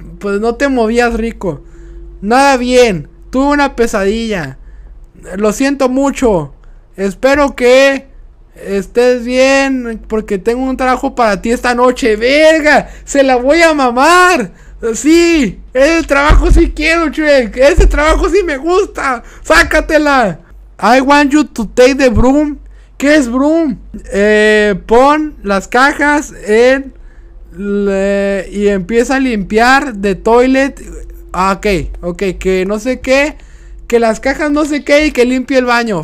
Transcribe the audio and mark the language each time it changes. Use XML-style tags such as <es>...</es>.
<es>Pues no te movías rico. Nada bien. Tuve una pesadilla. Lo siento mucho. Espero que estés bien. Porque tengo un trabajo para ti esta noche. ¡Verga! ¡Se la voy a mamar! ¡Sí! ¡Ese trabajo sí quiero, Shrek! ¡Ese trabajo sí me gusta! ¡Sácatela!</es> <en>I want you to take the broom.</en> <es>¿Qué es broom? Pon las cajas en y empieza a limpiar de toilet. Ok, que no sé qué. Que las cajas no sé qué y que limpie el baño.</es>